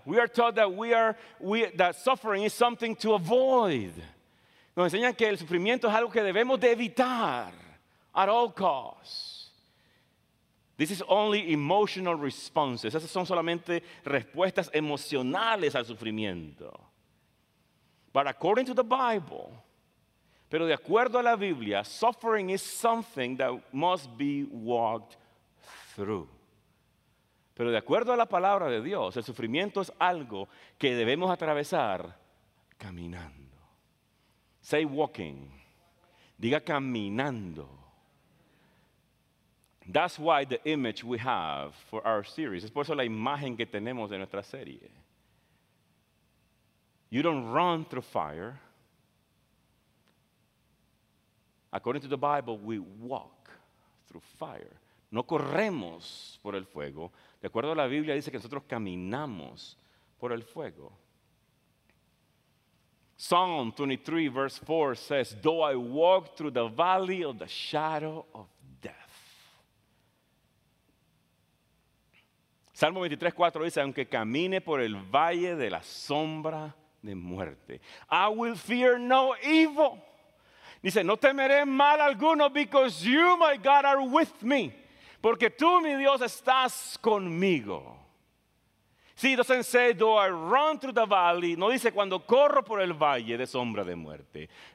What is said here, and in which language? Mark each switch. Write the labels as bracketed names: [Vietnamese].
[English] We are taught that that suffering is something to avoid. [Spanish] Nos enseñan que el sufrimiento es algo que debemos de evitar [English] at all costs. This is only emotional responses. [Spanish] Esas son solamente respuestas emocionales al sufrimiento. [English] But according to the Bible, [Spanish] pero de acuerdo a la Biblia, [English] suffering is something that must be walked through. [Spanish] Pero de acuerdo a la palabra de Dios, el sufrimiento es algo que debemos atravesar caminando. [English] Say walking. [Spanish] Diga caminando. [English] That's why the image we have for our series. [Spanish] Es por eso la imagen que tenemos de nuestra serie. [English] You don't run through fire. According to the Bible, we walk through fire. [Spanish] No corremos por el fuego. De acuerdo a la Biblia, dice que nosotros caminamos por el fuego. [English] Psalm 23, verse 4 says, though I walk through the valley of the shadow of death. [Spanish] Salmo 23, 4 dice, aunque camine por el valle de la sombra de muerte, [English] I will fear no evil. [Spanish] Dice, no temeré mal alguno, [English] because you, my God, are with me. [Spanish] Porque tú, mi Dios, estás conmigo. [English] See, it doesn't say, do I run through the valley. [Spanish] No dice, cuando corro por el valle de sombra de muerte.